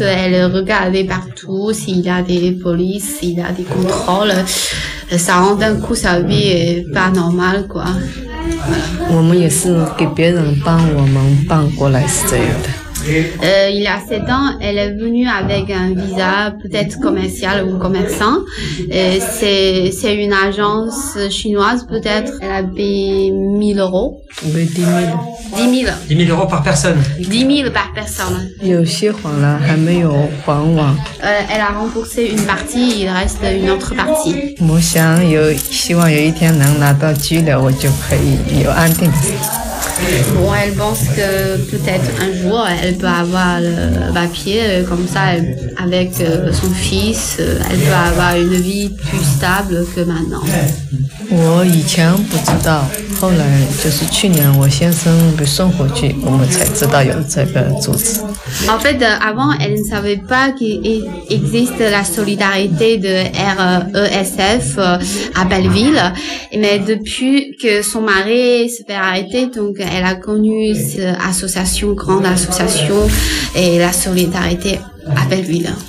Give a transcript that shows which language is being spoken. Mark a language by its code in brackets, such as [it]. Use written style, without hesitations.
[fr] Elle regarde partout s'il y a des polices, s'il y a des contrôles. Ça rend d'un coup sa vie pas normale, quoi. [zh] 我们也是给别人帮我们搬过来是这样的。 [fr] Il a 7 ans, elle est venue avec un visa, peut-être commercial ou commerçant. C'est une agence chinoise, peut-être. Elle a payé 1000 euros. Oui, 10 000. 10 000. 10 000 euros par personne. 10 000 par personne. [zh] 有些还了，还没有还完。 [fr] Elle a remboursé une partie, il reste une autre partie. [zh] 我想有，希望有一天能拿到居留，我就可以有安定。 [fr] Bon, elle pense que peut-être un jour elle peut avoir le papier comme ça avec son fils, elle peut avoir une vie plus stable que maintenant. [zh] 我以前不知道，后来就是去年我先生被送回去，我们才知道有这个组织。 [fr] En fait, avant elle ne savait pas qu'il existe la solidarité de RESF à Belleville, mais depuis que son mari se fait arrêter, donc elle a connu cette association, grande association, et la solidarité à Belleville.